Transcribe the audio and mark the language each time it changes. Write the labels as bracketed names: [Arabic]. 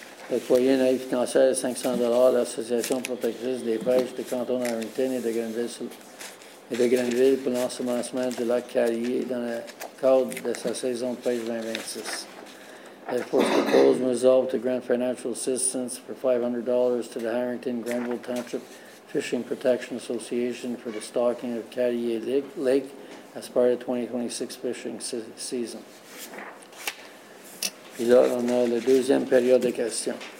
[French] Le foyer naïf financier de $500 à l'Association protectrice des pêches de canton d'Harrington et de Grenville pour l'ensemencement du lac Carrier dans le cadre de sa saison de pêche 2026. [English] Therefore, it's proposed and resolved to grant financial assistance for $500 to the Harrington Grenville Township Fishing Protection Association for the stocking of Carrier Lake as part of the 2026 fishing season. [French] Et là, on a la deuxième période de questions.